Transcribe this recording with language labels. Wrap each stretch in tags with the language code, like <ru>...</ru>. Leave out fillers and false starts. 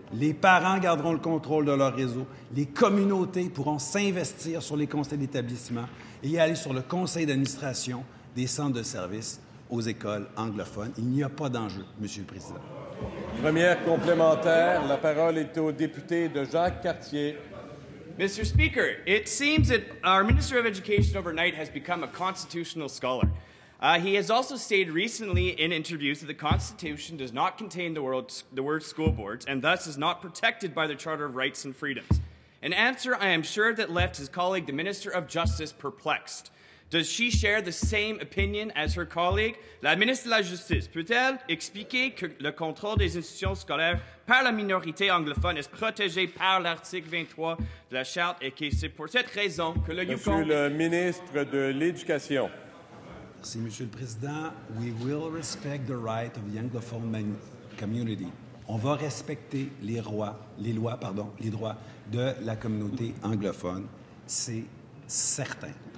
<fr>Les parents garderont le contrôle de leur réseau. Les communautés pourront s'investir sur les conseils d'établissement et aller sur le conseil d'administration des centres de services aux écoles anglophones. Il n'y a pas d'enjeu, Monsieur le Président. Première complémentaire, la parole est au député de Jacques Cartier.</fr> <en>Mr. Speaker, it seems that our Minister of Education overnight has become a constitutional scholar. He has also stated recently in interviews that the Constitution does not contain the word school boards and thus is not protected by the Charter of Rights and Freedoms. An answer I am sure that left his colleague, the Minister of Justice, perplexed. Does she share the same opinion as her colleague?</en> <fr>La ministre de la Justice peut-elle expliquer que le contrôle des institutions scolaires par la minorité anglophone est protégé par l'article 23 de la Charte et que c'est pour cette raison que le Yukon... Monsieur le ministre de l'Éducation. Merci, Monsieur le Président.</fr> <en>We will respect the right of the anglophone community.</en> <fr>On va respecter les droits de la communauté anglophone, c'est certain.</fr>